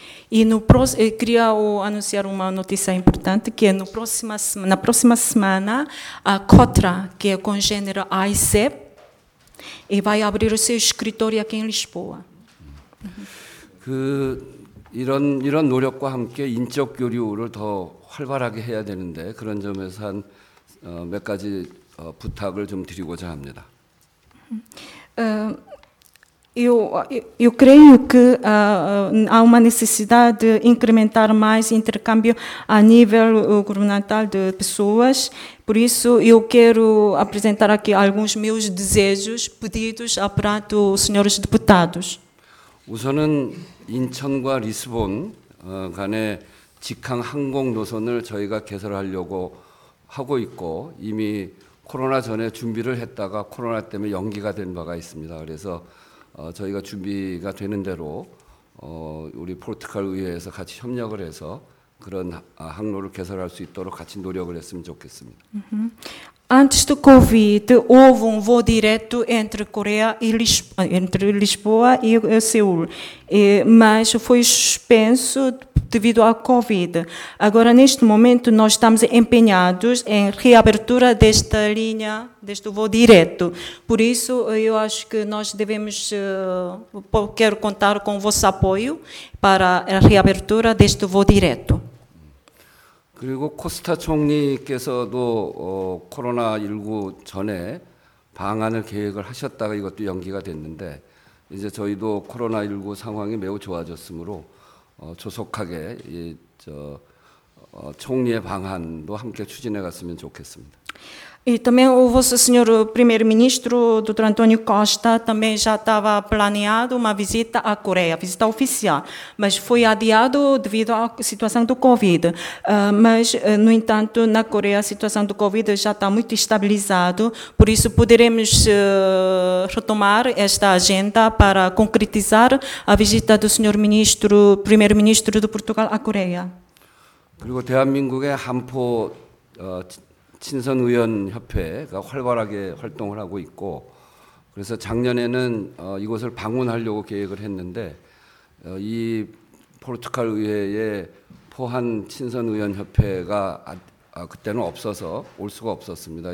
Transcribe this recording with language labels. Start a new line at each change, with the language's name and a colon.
Portuguese: E no próximo, queria anunciar uma notícia importante, que no próximo, na próxima semana, a COTRA, que é com gênero AICEP, e vai abrir o seu escritório aqui em Lisboa.
Korean: 그 이런 노력과 함께 인적 교류를 더 활발하게 해야 되는데 그런 점에서 한 몇 가지 부탁을 좀 드리고자 합니다.
Portuguese: Eu creio que há uma necessidade de incrementar mais intercâmbio a nível governamental de pessoas. Por isso, eu quero apresentar aqui alguns meus desejos, pedidos a prato, senhores deputados.
Korean: 우선은 인천과 리스본 간의 직항 항공 노선을 저희가 개설하려고 하고 있고 이미 코로나 전에 준비를 했다가 코로나 때문에 연기가 된 바가 있습니다. 그래서 저희가 준비가 되는 대로 우리 포르투갈 의회에서 같이 협력을 해서 그런 항로를 개설할 수 있도록 같이 노력을 했으면 좋겠습니다.
Portuguese: Antes do Covid, houve voo direto entre Coreia e entre Lisboa e Seul, mas foi suspenso devido à Covid. Agora, neste momento, nós estamos empenhados em reabertura desta linha, deste voo direto. Por isso, eu acho que nós devemos, quero contar com o vosso apoio para a reabertura deste voo direto.
Korean: 그리고 코스타 총리께서도 코로나19 전에 방한을 계획을 하셨다가 이것도 연기가 됐는데 이제 저희도 코로나19 상황이 매우 좋아졌으므로 조속하게 이 저 총리의 방한도 함께 추진해 갔으면 좋겠습니다.
Portuguese: E também o vosso senhor primeiro-ministro, Dr. António Costa, também já estava planeado uma visita à Coreia, visita oficial, mas foi adiado devido à situação do Covid. Mas, no entanto, na Coreia a situação do Covid já está muito estabilizada, por isso poderemos retomar esta agenda para concretizar a visita do senhor ministro, primeiro-ministro de Portugal à Coreia.
Korean: 그리고 대한민국의 한포 친선 의원 협회가 활발하게 활동을 하고 있고 그래서 작년에는 이곳을 방문하려고 계획을 했는데 이 포르투갈 의회에 포한 친선 의원 협회가 그때는 없어서 올 수가 없었습니다.